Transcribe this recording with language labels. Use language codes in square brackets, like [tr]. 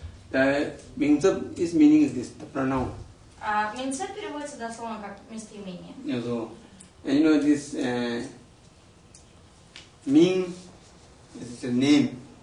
[en] The Mingzab is meaning is this, the pronoun. [ru] Mingzab переводится дословно как местоимение. [en] Yes, so. And you know this Ming is the name.